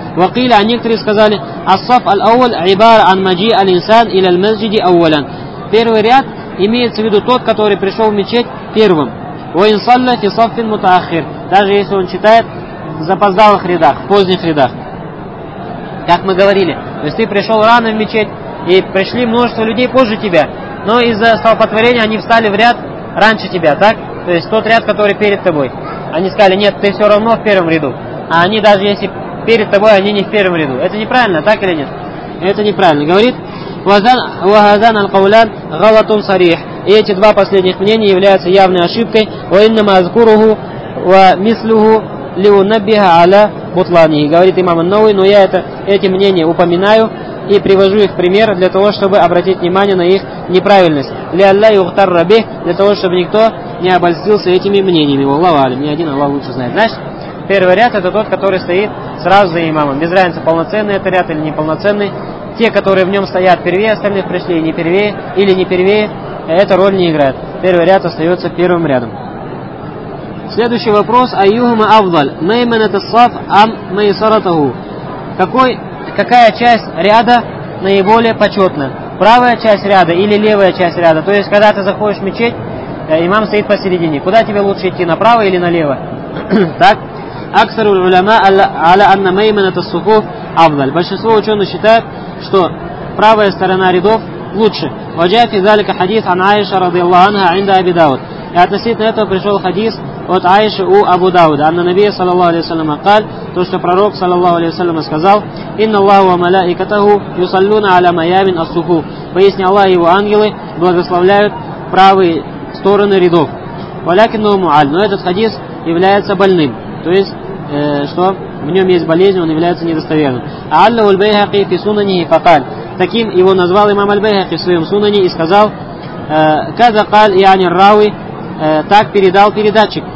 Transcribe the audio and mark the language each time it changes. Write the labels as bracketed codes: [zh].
[ar] وقيل, [ru] а некоторые сказали, [ar] الصف الأول عبارة عن مجيء الإنسان إلى المسجد أولا. [ru] Первый ряд имеется в виду тот, который пришел в мечеть первым. [ar] وإن صلى في صف متأخر, [ru] даже если он читает в запоздалых рядах, в поздних рядах. Как мы говорили, то есть ты пришел рано в мечеть, и пришли множество людей позже тебя, но из-за столпотворения они встали в ряд раньше тебя, так? То есть тот ряд, который перед тобой. Они сказали, нет, ты все равно в первом ряду. А они, даже если перед тобой, они не в первом ряду. Это неправильно, так или нет? Это неправильно. Говорит, [ar] وَهَذَانَ الْقَوْلَانِ غَلَطٌ صَرِيحٌ. [ru] И эти два последних мнения являются явной ошибкой. [ar] وَإِنَّمَا أَذْكُرُهُ وَمِثْلُهُ لِيُنَبِّهَ عَلَى بُطْلَانِهِ. [ru] Говорит имам Ан-Науи, но я эти мнения упоминаю и привожу их в пример для того, чтобы обратить внимание на их неправильность. [ar] لِاللَّهِ يُغْتَرَّ بِهِ. [ru] Для того, чтобы никто не обольстился этими мнениями. [ar] Аллаху а'лам. [ru] Ни один Аллах лучше знает. Знаешь, первый ряд — это тот, который стоит сразу за имамом. Без разницы, полноценный это ряд или неполноценный. Те, которые в нем стоят впервые, остальных пришли не впервые или не впервые, эта роль не играет. Первый ряд остается первым рядом. Следующий вопрос. [ar] Айюхума авдаль. Мэймэн это саф ам мэйсаратаху. [ru] Какая часть ряда наиболее почетна? Правая часть ряда или левая часть ряда? То есть, когда ты заходишь в мечеть, имам стоит посередине. Куда тебе лучше идти, направо или налево? Так? [ar] أكثر العلماء على أن ميمنة الصفوف أفضل. [ru] Большинство ученых считают, что правая сторона рядов лучше. [ar] وجاء في ذلك حديث عن عائشة رضي الله عنها عند أبي داود. [ru] И относительно этого пришел хадис от Аиши у Абу Дауда. [ar] أن النبي صلى الله عليه وسلم قال, [ru] то, что пророк [ar] صلى الله عليه وسلم [ru] сказал, [ar] إن الله وملائكته يصلون على ميامن الصفوف. [ru] Поясни, Аллах и его ангелы благословляют правые стороны рядов. [ar] ولكنه معل. [ru] Но этот хадис является больным. То есть, что в нем есть болезнь, он является недостоверным. [ar] Аллаху аль-Байхақи фи сунанихи фақал. [ru] Таким его назвал имам аль-Байхақи в своем сунане и сказал, [ar] каза кал яни рауи, [ru] так передал передатчик.